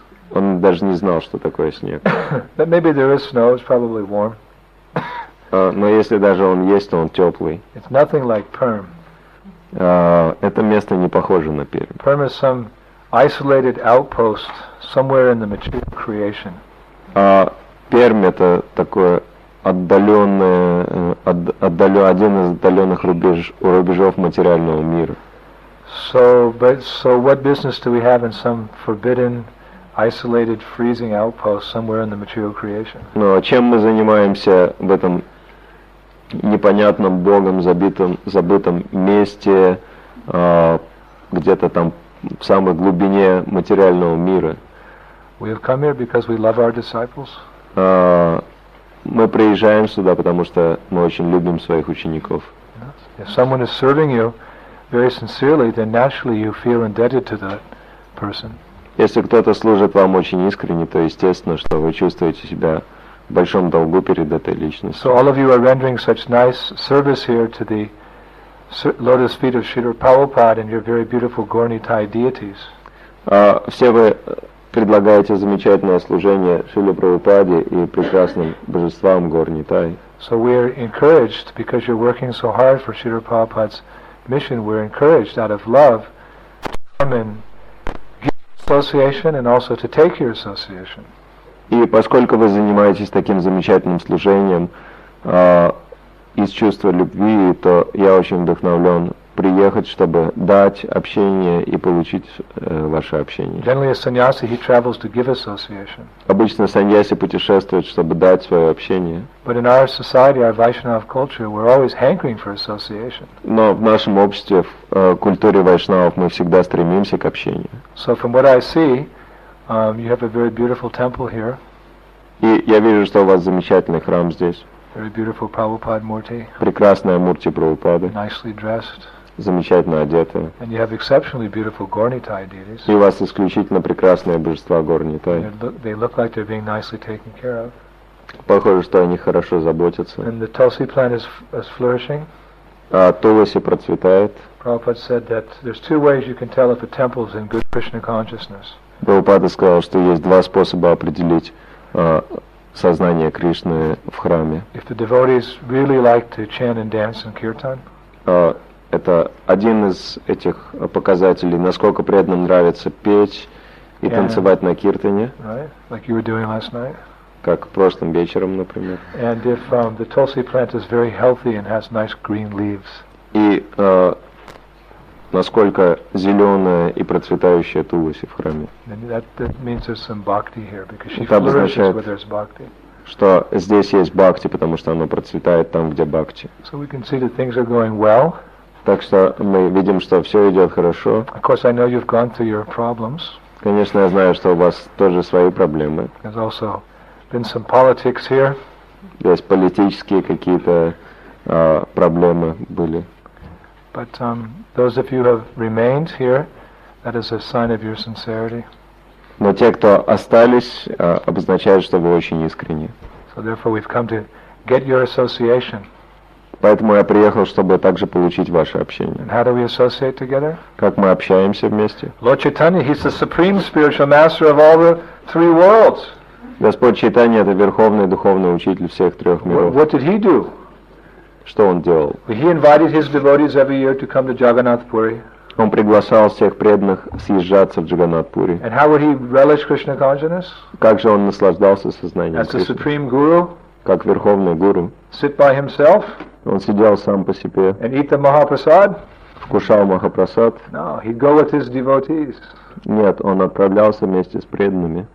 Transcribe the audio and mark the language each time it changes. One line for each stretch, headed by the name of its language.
Russian: Он даже не знал, что такое снег.
English: But maybe there is snow, it's probably warm.
Russian: Но если даже он есть, то он теплый.
English: It's nothing like Perm.
Russian: Это место не похоже на Пермь.
English: Perm is some isolated outpost somewhere in the material creation.
Russian: Пермь это такое отдаленное, один из отдаленных рубежов материального мира.
English: So what business do we have in some forbidden, isolated, freezing outpost somewhere in the material creation?
Russian: Но чем мы занимаемся в этом непонятном богом забытом месте, где-то там в самой глубине материального мира?
English: We have come here because we love our disciples.
Russian: Мы приезжаем сюда, потому что мы очень любим своих учеников.
English: If someone is serving you very sincerely, then naturally you feel indebted to that person.
Russian: Если кто-то служит вам очень искренне, то естественно, что вы чувствуете себя в большом долгу перед этой личностью.
English: So all of you are rendering such nice service here to the lotus feet of Śrīla Prabhupāda and your very beautiful Gaura-Nitai deities.
Russian: Все вы предлагаете замечательное служение Шриле Прабхупаде и прекрасным божествам Гаура-Нитай.
English: So we are encouraged because you're working so hard for Śrīla Prabhupāda's mission. We're encouraged out of love to come and give association and also to take your association.
Russian: И поскольку вы занимаетесь таким замечательным служением из чувства любви, то я очень вдохновлен приехать, чтобы дать общение и получить ваше общение.
English: Generally, a sannyasi, he travels to give association.
Russian: Обычно саньяси путешествует, чтобы дать свое общение.
English: But in our society, our Vaishnava culture, we're always hankering for association.
Russian: Но в нашем обществе, в культуре вайшнавов, мы всегда стремимся к общению.
English: So from what I see, you have a very beautiful temple here.
Russian: И я вижу, что у вас замечательный храм здесь.
English: Very beautiful Prabhupada Murti.
Russian: Прекрасная мурти Прабхупады.
English: Nicely dressed.
Russian: Замечательно одетая.
English: And you have exceptionally beautiful Gaura-Nitai deities.
Russian: И у вас исключительно прекрасные божества Гаура-Нитай.
English: They look like they're being nicely taken care of.
Russian: Похоже, что они хорошо заботятся.
English: And the Tulsi plant is flourishing.
Russian: А Туласи процветает.
English: Prabhupada said that there's two ways you can tell if a temple is in good Krishna consciousness.
Russian: Прабхупада сказал, что есть два способа определить сознание Кришны в храме.
English: If the devotees really like to chant and dance in kirtan.
Russian: Это один из этих показателей, насколько преданным нравится петь и танцевать на киртане.
English: Right, like you were doing last night.
Russian: Как прошлым вечером, например.
English: And if the tulsi plant is very healthy and has nice green leaves.
Russian: И насколько зеленая и процветающая туласи в храме. Это означает, что здесь есть бхакти, потому что оно процветает там, где бхакти.
English: So we can see that things are going well.
Russian: Так что мы видим, что все идет хорошо.
English: Of course, I know you've gone through your problems.
Russian: Конечно, я знаю, что у вас тоже свои проблемы.
English: There's also been some politics here.
Russian: Здесь политические какие-то проблемы были.
English: But those of you who have remained here, that is a sign of your sincerity.
Russian: Но те, кто остались, обозначают, что вы очень искренни.
English: So therefore, we've come to get your association.
Russian: Поэтому я приехал, чтобы также получить ваше общение.
English: And how do we associate together?
Russian: Как мы общаемся вместе?
English: Lord Chaitanya, he's the supreme spiritual master of all the three worlds.
Russian: Господь Чайтанья — это верховный духовный учитель всех трех миров.
English: What did he do?
Russian: Что он делал?
English: He invited his devotees every year to come to Jagannath Puri.
Russian: Он приглашал всех преданных съезжаться в Джаганат Пури.
English: And how would he relish Krishna consciousness?
Russian: Как же он наслаждался сознанием
English: Кришны? As the supreme guru.
Russian: Как верховный гуру.
English: Sit by himself.
Russian: Он сидел сам по себе.
English: And eat the Mahaprasad.
Russian: Вкушал Махапрасад.
English: No, he'd go with his devotees.
Russian: Нет, он отправлялся вместе с преданными.